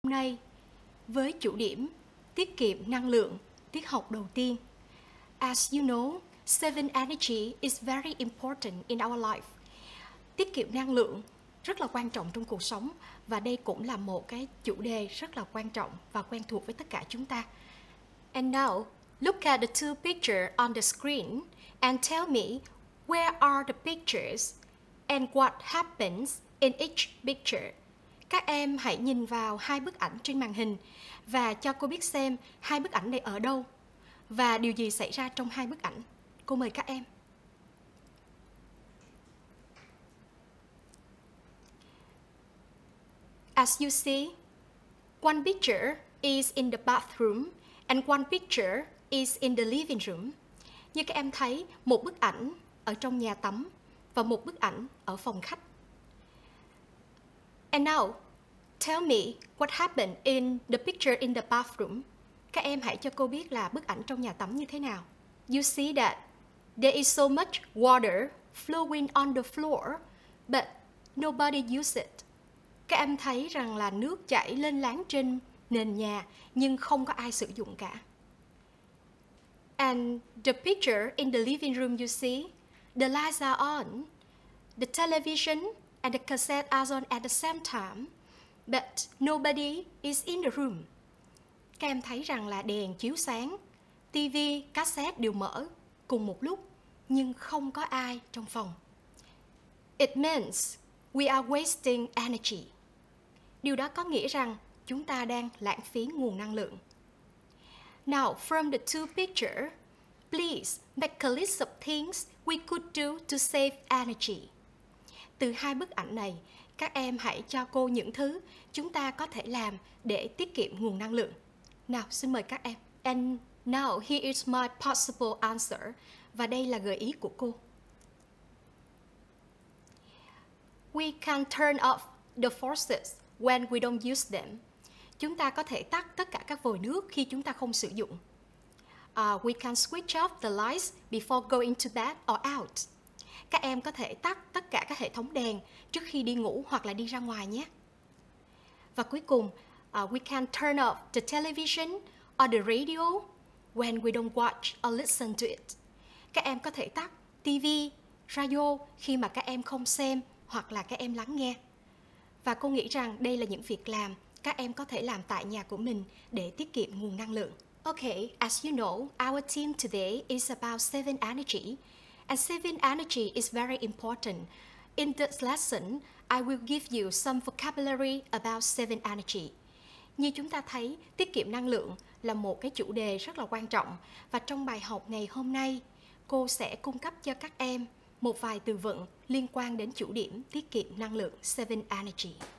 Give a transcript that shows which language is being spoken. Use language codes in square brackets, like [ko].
[vi] nay, với chủ điểm tiết kiệm năng lượng, tiết học đầu tiên. [en] As you know, saving energy is very important in our life. [vi] Tiết kiệm năng lượng rất là quan trọng trong cuộc sống, và đây cũng là một cái chủ đề rất là quan trọng và quen thuộc với tất cả chúng ta. [en] And now, look at the two pictures on the screen and tell me where are the pictures and what happens in each picture. [vi] Các em hãy nhìn vào hai bức ảnh trên màn hình và cho cô biết xem hai bức ảnh này ở đâu và điều gì xảy ra trong hai bức ảnh. Cô mời các em. [en] As you see, one picture is in the bathroom and one picture is in the living room. [vi] Như các em thấy, một bức ảnh ở trong nhà tắm và một bức ảnh ở phòng khách. [en] And now, tell me what happened in the picture in the bathroom. [vi] Các em hãy cho cô biết là bức ảnh trong nhà tắm như thế nào. [en] You see that there is so much water flowing on the floor, but nobody uses it. [vi] Các em thấy rằng là nước chảy lên láng trên nền nhà, nhưng không có ai sử dụng cả. [en] And the picture in the living room you see, the lights are on, the television and the cassette are on at the same time, but nobody is in the room. [vi] Các em thấy rằng là đèn chiếu sáng, TV, cassette đều mở cùng một lúc, nhưng không có ai trong phòng. [en] It means we are wasting energy. [vi] Điều đó có nghĩa rằng chúng ta đang lãng phí nguồn năng lượng. [en] Now, from the two pictures, please make a list of things we could do to save energy. [vi] Từ hai bức ảnh này, các em hãy cho cô những thứ chúng ta có thể làm để tiết kiệm nguồn năng lượng. Nào, xin mời các em. [en] And now, here is my possible answer. [vi] Và đây là gợi ý của cô. [en] We can turn off the faucets when we don't use them. [vi] Chúng ta có thể tắt tất cả các vòi nước khi chúng ta không sử dụng. [en] We can switch off the lights before going to bed or out. [vi] Các em có thể tắt tất cả các hệ thống đèn trước khi đi ngủ hoặc là đi ra ngoài nhé. Và cuối cùng, [en] We can turn off the television or the radio when we don't watch or listen to it. [vi] Các em có thể tắt TV, radio khi mà các em không xem hoặc là các em lắng nghe. Và cô nghĩ rằng đây là những việc làm các em có thể làm tại nhà của mình để tiết kiệm nguồn năng lượng. [en] Okay, as you know, our team today is about saving energy. And saving energy is very important. In this lesson, I will give you some vocabulary about saving energy. [vi] Như chúng ta thấy, tiết kiệm năng lượng là một cái chủ đề rất là quan trọng. Và trong bài học ngày hôm nay, cô sẽ cung cấp cho các em một vài từ vựng liên quan đến chủ điểm tiết kiệm năng lượng, [en] saving energy.